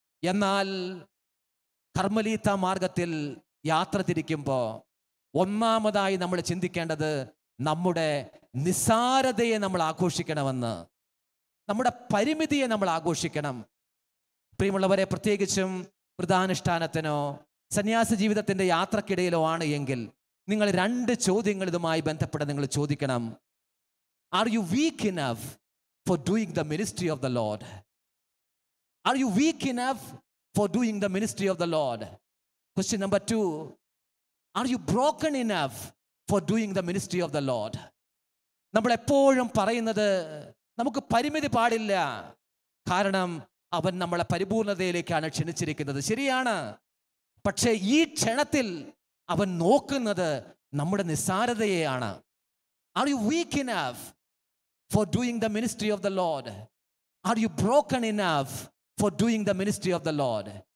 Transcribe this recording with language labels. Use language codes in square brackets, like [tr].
[ml] എന്നാൽ കർമ്മലീത മാർഗത്തിൽ യാത്ര തിരിക്കുമ്പോൾ ഒന്നാമതായി നമ്മൾ ചിന്തിക്കേണ്ടത് നമ്മുടെ നിസ്സാരതയെ നമ്മൾ ആഘോഷിക്കണമെന്ന്, നമ്മുടെ പരിമിതിയെ നമ്മൾ ആഘോഷിക്കണം. പ്രിയമുള്ളവരെ, പ്രത്യേകിച്ചും വ്രതാനുഷ്ഠാനത്തിനോ സന്യാസ ജീവിതത്തിൻ്റെ യാത്രക്കിടയിലോ ആണ് എങ്കിൽ നിങ്ങൾ രണ്ട് ചോദ്യങ്ങൾ ഇതുമായി ബന്ധപ്പെട്ട് നിങ്ങൾ ചോദിക്കണം. [en] Are you weak enough for doing the ministry of the Lord? Are you weak enough for doing the ministry of the Lord? Question number 2. Are you broken enough for doing the ministry of the Lord? [ml] നമ്മൾ എപ്പോഴും പറയുന്നത് നമുക്ക് പരിമിതി പാടില്ല, കാരണം അവൻ നമ്മളെ പരിപൂർണതയിലേക്കാണ് ക്ഷണിച്ചിരിക്കുന്നത്. ശരിയാണ്, പക്ഷേ ഈ ക്ഷണത്തിൽ അവൻ നോക്കുന്നത് നമ്മുടെ നിസ്സാരതയെയാണ്. [en] Are you weak enough for doing the ministry of the Lord? Are you broken enough for doing the ministry of the Lord?